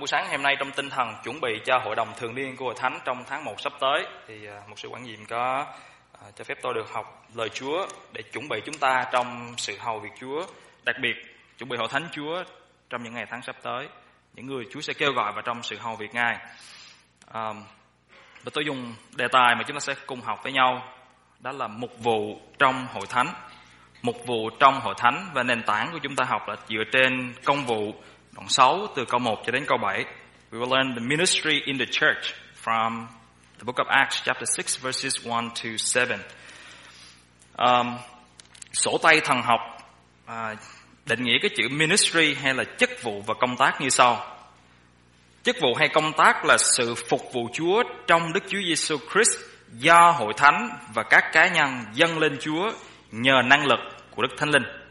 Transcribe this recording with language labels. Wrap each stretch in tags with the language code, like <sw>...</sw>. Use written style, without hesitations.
<vi>hôm nay trong tinh thần chuẩn bị cho hội đồng thường niên của Hội Thánh trong tháng 1 sắp tới, thì mục sư quản nhiệm có cho phép tôi được học lời Chúa để chuẩn bị chúng ta trong sự hầu việc Chúa, đặc biệt chuẩn bị Hội Thánh Chúa trong những ngày tháng sắp tới, những người Chúa sẽ kêu gọi vào trong sự hầu việc Ngài. Và tôi dùng đề tài mà chúng ta sẽ cùng học với nhau, đó là mục vụ trong Hội Thánh. Mục vụ trong Hội Thánh, và nền tảng của chúng ta học là dựa trên công vụ đoạn 6 từ câu 1 cho đến câu 7.</vi> <en>We will learn the ministry in the church from the book of Acts chapter 6 verses 1 to 7.</en> <vi>Sổ tay thần học định nghĩa cái chữ ministry hay là chức vụ và công tác như sau. Chức vụ hay công tác là sự phục vụ Chúa trong Đức Chúa Jesus Christ do Hội Thánh và các cá nhân dâng lên Chúa nhờ năng lực của Đức Thánh Linh.</vi>